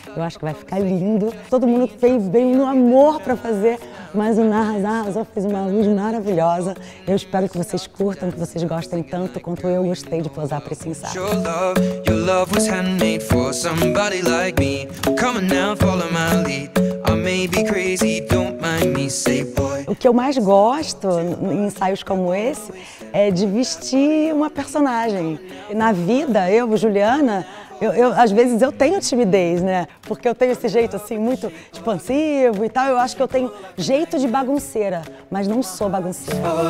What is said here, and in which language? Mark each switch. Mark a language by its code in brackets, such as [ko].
[pt] Eu acho que vai ficar lindo. Todo mundo fez bem no amor pra fazer, mas o Nars Arrasou, fez uma luz maravilhosa. Eu espero que vocês curtam, que vocês gostem tanto quanto eu gostei de posar pra esse ensaio. [en] Your love, was handmade for somebody like me. Come on now, follow my lead. I may be crazy, don't mind me, say boy. [pt] O que eu mais gosto em ensaios como esse é de vestir uma personagem. Na vida, eu, Juliana, às vezes eu tenho timidez, né? Porque eu tenho esse jeito assim, muito expansivo e tal. Eu acho que eu tenho jeito de bagunceira, mas não sou bagunceira.